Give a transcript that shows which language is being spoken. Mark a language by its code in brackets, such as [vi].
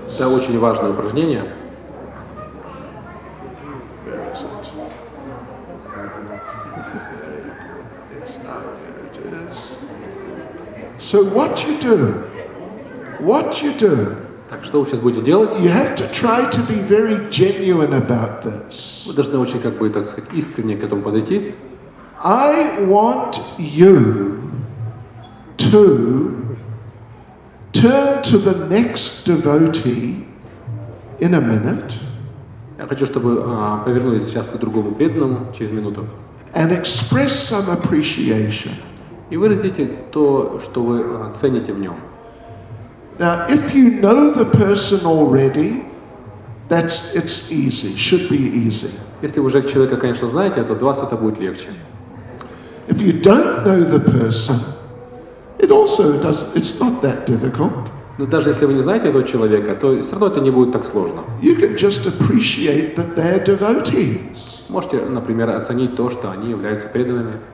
[ru] Это очень важное упражнение. [en] So what you do? What you do? [ru] Так что вы сейчас будете делать? [en] You have to try to be very genuine about this. [ru] Вы должны очень, как бы, так сказать, искренне к этому подойти. [en] I want you to turn to the next devotee in a minute. [ru] Я хочу, чтобы повернулись сейчас к другому преданному через минуту. [en] And express some appreciation. [ru] И выразите то, что вы цените в нем. [en] Now, if you know the person already, it's easy, should be easy. [ru] Если вы уже человека, конечно, знаете, то для вас это будет легче. [en] If you don't know the person, it also does, it's not that difficult. [ru] Но даже если вы не знаете этого человека, то все равно это не будет так сложно. [en] You can just appreciate that they're devotees. [ru] Можете, например, оценить то, что они являются преданными.